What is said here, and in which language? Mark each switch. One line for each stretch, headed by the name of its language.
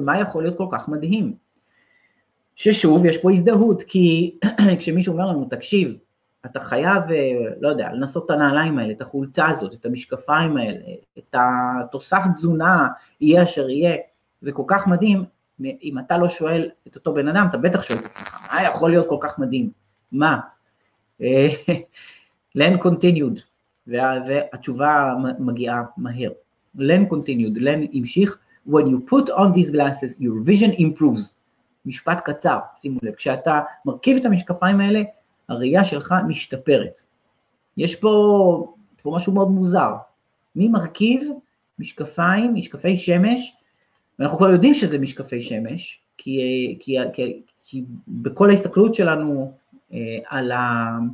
Hebrew: מה יכול להיות כל כך מדהים? ששוב, יש פה הזדהות, כי כשמישהו אומר לנו, תקשיב, אתה חייב, לא יודע, לנסות את הנעליים האלה, את החולצה הזאת, את המשקפיים האלה, את התוסף תזונה, יהיה אשר יהיה, זה כל כך מדהים, אם אתה לא שואל את אותו בן אדם, אתה בטח שואל את עצמך, מה יכול להיות כל כך מדהים? מה?
English: Len continued,
Hebrew: והתשובה מגיעה מהר.
English: Len continued, Len
Hebrew: המשיך,
English: when you put on these glasses, your vision improves.
Hebrew: משפט קצר, שימו לב, כשאתה מרכיב את המשקפיים האלה, הראייה שלך משתפרת. יש פה משהו מאוד מוזר. מי מרכיב משקפיים, משקפי שמש, ואנחנו כבר יודעים שזה משקפי שמש, כי בכל ההסתכלות שלנו על ה...